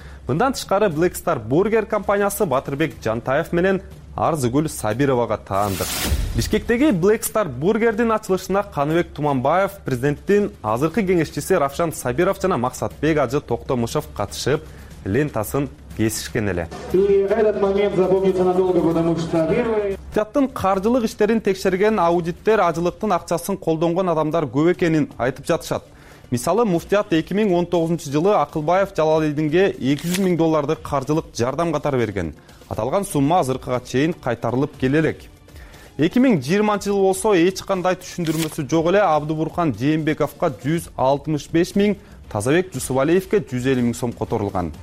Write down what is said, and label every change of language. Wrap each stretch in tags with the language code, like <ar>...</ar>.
<ky>Мындан тышкары Black Star Burger компаниясы Батырбек Жантаев менен Арзыгүл Сабировага таандык. Бишкектеги Black Star Burger'дин ачылышына Каныбек Туманбаев, президенттин азыркы кеңешчиси Равшан Сабиров жана Максатбек Ажы Токтомушов катышып, лентасын кесишкен эле.</ky> <ru>И этот момент запомнится надолго, потому что первый.</ru> <ky>Жаттын каржылык иштерин текшерген аудиттер ажылыктын акчасын колдонгон адамдар көп экенин айтып жатышат. Мисалы, муфтият 2019 жылы Акылбаев Жалалидинге 200 000 долларды каржылык жардам катары берген. Аталган сумма азыркыга чейин кайтарылып келе элек. 2020 жыл болсо эч кандай түшүндүрмөсү жок эле Абдыбурхан Жээнбековго 165 000, Тазабек Жусубалиевке 150 000 сом которулган.</ky>